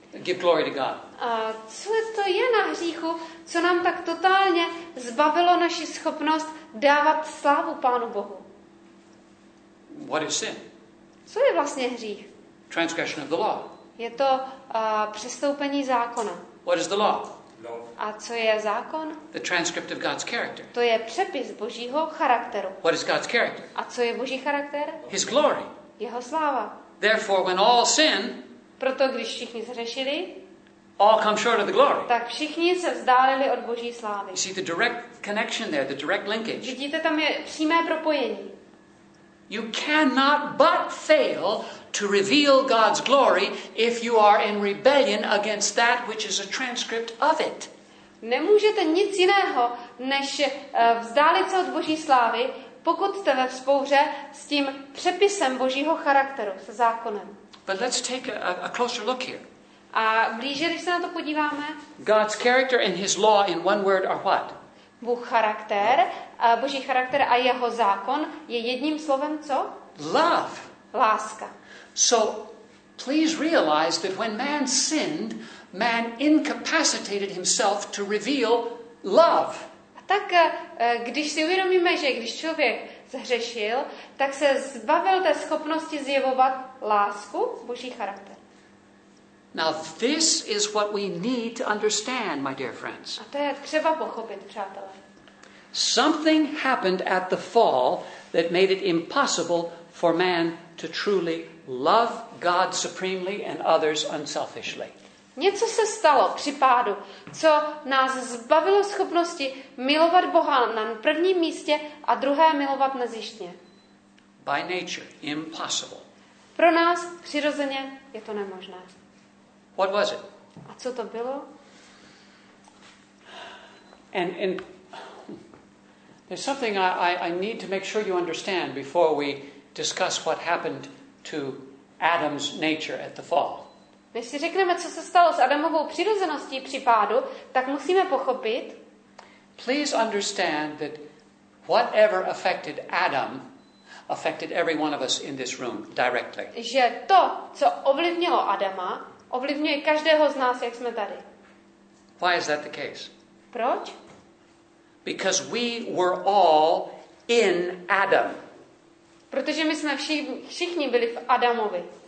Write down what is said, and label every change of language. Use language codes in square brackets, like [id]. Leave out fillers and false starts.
[en] Give glory to God. [cs] Co to je na hříchu, co nám tak totálně zbavilo naši schopnost dávat slávu Pánu Bohu? [en] What is sin? [cs] Co je vlastně hřích? [en] Transgression of the law. [cs] Je to přestoupení zákona. [en] What is the law? [cs] A co je zákon? [en] The transcript of God's character. [cs] To je přepis Božího charakteru. [en] What is God's character? [cs] A co je Boží charakter? [en] His glory. [cs] Jeho sláva. [en] Therefore, when all sin, [cs] proto když všichni zhřešili, [en] all come short of the glory. [cs] Tak všichni se vzdálili od Boží slávy. [en] You see the direct connection there, the direct linkage. [cs] Vidíte, tam je přímé propojení. [en] You cannot but fail to reveal God's glory if you are in rebellion against that which is a transcript of it. [cs] Nemůžete nic jiného, než vzdálit se od Boží slávy, pokud jste ve vzpouře s tím přepisem Božího charakteru, se zákonem. [en] But let's take a closer look here. [cs] A blíže, když se na to podíváme. [en] God's character and his law in one word are what? [cs] Bůh charakter, Boží charakter a jeho zákon je jedním slovem co? [en] Love. [cs] Láska. [en] So please realize that when man sinned, man incapacitated himself to reveal love. [cs] Tak když si uvědomíme, že když člověk zhřešil, tak se zbavil té schopnosti zjevovat lásku, Boží charakter. [en] Now this is what we need to understand, my dear friends. [cs] A to je třeba pochopit, přátelé. [en] Something happened at the fall that made it impossible for man to truly love God supremely and others unselfishly. [cs] Něco se stalo při pádu, co nás zbavilo schopnosti milovat Boha na prvním místě a druhé milovat nezištně. [en] By nature, impossible. [cs] Pro nás přirozeně je to nemožné. [en] What was it? [cs] A co to bylo? [en] And there's something I need to make sure you understand before we discuss what happened to Adam's nature at the fall. [cs] Když si řekneme, co se stalo s Adamovou přirozeností při pádu, tak musíme pochopit. [en] Please understand that whatever affected Adam affected every one of us in this room directly. [cs] Že to, co ovlivnilo Adama, ovlivňuje každého z nás, jak jsme tady. [en] Why is that the case? [cs] Proč? [en] Because we were all in Adam. [cs] Protože my jsme všichni byli v Adamovi.